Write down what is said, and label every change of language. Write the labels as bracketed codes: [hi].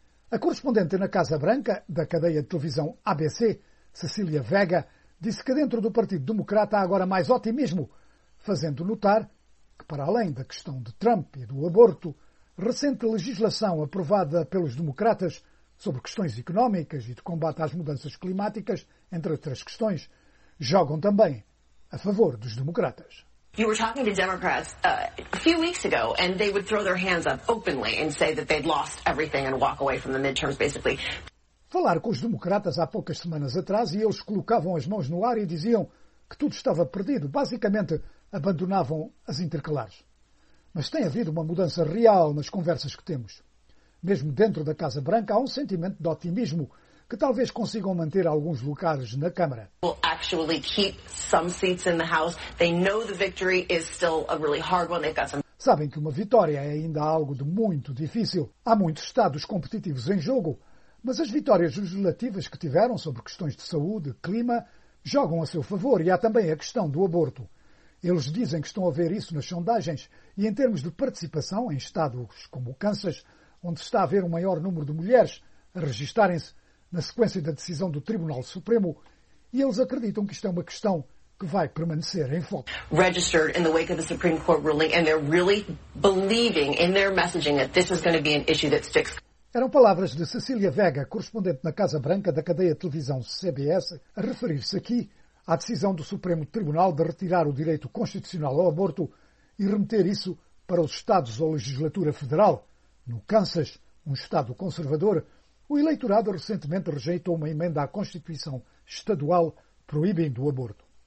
[pt] A correspondente na Casa Branca, da cadeia de televisão ABC, Cecília Vega, disse que dentro do Partido Democrata há agora mais otimismo, fazendo notar que, para além da questão de Trump e do aborto, recente legislação aprovada pelos democratas sobre questões económicas e de combate às mudanças climáticas, entre outras questões, jogam também a favor dos democratas. [en] You were talking to Democrats a few weeks ago, and they would throw their hands up openly and say that they'd lost everything and walk away from the midterms, basically. [pt] Falar com os democratas há poucas semanas atrás e eles colocavam as mãos no ar e diziam que tudo estava perdido. Basicamente, abandonavam as intercalares. Mas tem havido uma mudança real nas conversas que temos. Mesmo dentro da Casa Branca, há um sentimento de otimismo que talvez consigam manter alguns lugares na Câmara. [en] We'll actually keep some seats in the House. They know the victory is still a really hard one. They've got some... [pt] Sabem que uma vitória é ainda algo de muito difícil. Há muitos estados competitivos em jogo, mas as vitórias legislativas que tiveram sobre questões de saúde, clima, jogam a seu favor e há também a questão do aborto. Eles dizem que estão a ver isso nas sondagens e em termos de participação em estados como o Kansas, onde está a haver um maior número de mulheres a registarem-se na sequência da decisão do Tribunal Supremo, e eles acreditam que isto é uma questão que vai permanecer em foco. [en] Registered in the wake of the Supreme Court ruling, and they're really believing in their messaging that this is going to be an issue that sticks. [pt] Eram palavras de Cecília Vega, correspondente na Casa Branca da cadeia de televisão CBS, a referir-se aqui à decisão do Supremo Tribunal de retirar o direito constitucional ao aborto e remeter isso para os estados ou legislatura federal. No Kansas, um estado conservador, o eleitorado recentemente rejeitou uma emenda à Constituição estadual proibindo o aborto.